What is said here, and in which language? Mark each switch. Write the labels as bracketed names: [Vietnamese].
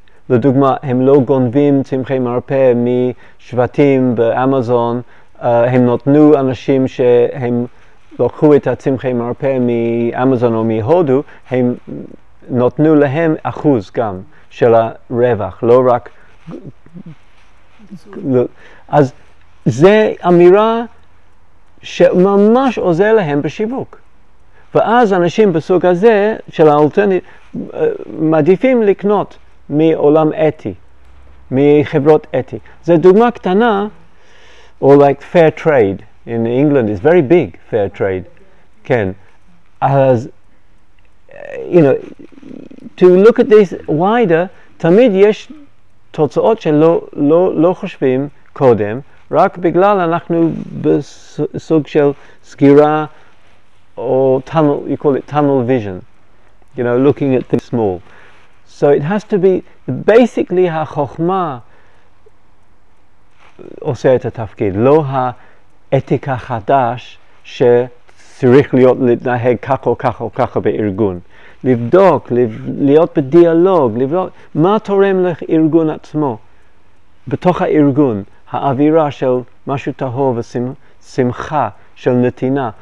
[Hebrew] לדוגמה הם לא גונבים צמחי מרפא משבטים באמזון, הם נותנו אנשים שהם לוקחו את הצמחי מרפא מאמזון או מהודו, הם נותנו להם אחוז גם של הרווח, לא רק אז זה אמירה שממש עוזר להם בשיווק. ואז אנשים בסוג הזה של האלטרנטיב מעדיפים לקנות מעולם אתי, מחברות אתי. זה דוגמה קטנה, או [English] like fair trade in England is very big, fair trade. כן. אז, you know, to look at this wider, [Hebrew] תמיד יש תוצאות שלא חושבים קודם, רק בגלל אנחנו בסוג של סגירה או [English] tunnel, you call it tunnel vision, you know, looking at the small. So it has to be, basically, [Hebrew] החוכמה עושה את התפקיד, לא האתיקה חדש שצריך להיות להתנהג כך או כך או כך בארגון. לבדוק, להיות בדיאלוג, לבדוק מה תורם לארגון עצמו, בתוך הארגון, האווירה של משהו טהור ושמחה, של נתינה.